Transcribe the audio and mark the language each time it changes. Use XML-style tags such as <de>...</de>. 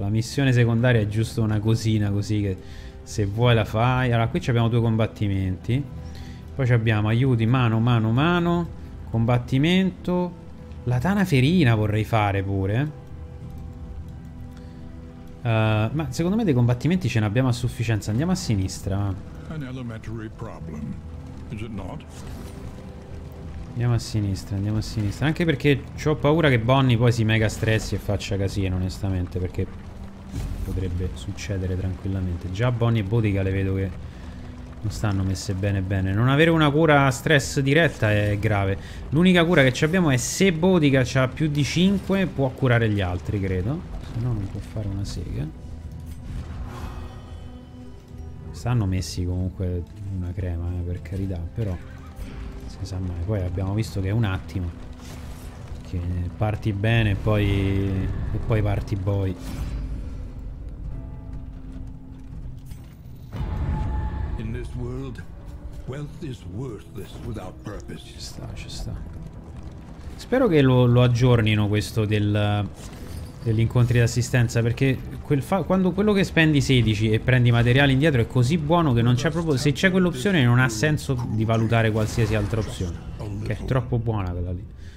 <it>La missione secondaria è giusto una cosina così che se vuoi la fai. Allora, qui abbiamo due combattimenti. Poi abbiamo aiuti, mano, mano, mano. Combattimento. La tana ferina vorrei fare pure. Ma secondo me dei combattimenti ce ne abbiamo a sufficienza. Andiamo a sinistra.</it> <en>An elementary problem, is it not?</en> <it>Andiamo a sinistra, andiamo a sinistra. Anche perché ho paura che Bonnie poi si mega stressi e faccia casino, onestamente. Perché potrebbe succedere tranquillamente. Già Bonnie e Bodica le vedo che non stanno messe bene bene. Non avere una cura stress diretta è grave. L'unica cura che abbiamo è se Bodica ha più di 5 può curare gli altri, credo. Se no non può fare una sega. Stanno messi comunque una crema, per carità, però... Poi abbiamo visto che è un attimo. perché parti bene e poi parti poi.</it> <en>In this world, wealth is worthless without purpose.</en> <it>Ci sta, ci sta. Spero che lo aggiornino questo degli incontri d'assistenza, perché quello che spendi 16 e prendi materiali indietro è così buono che non c'è proprio, se c'è quell'opzione non ha senso di valutare qualsiasi altra opzione, che è troppo buona quella lì.</it>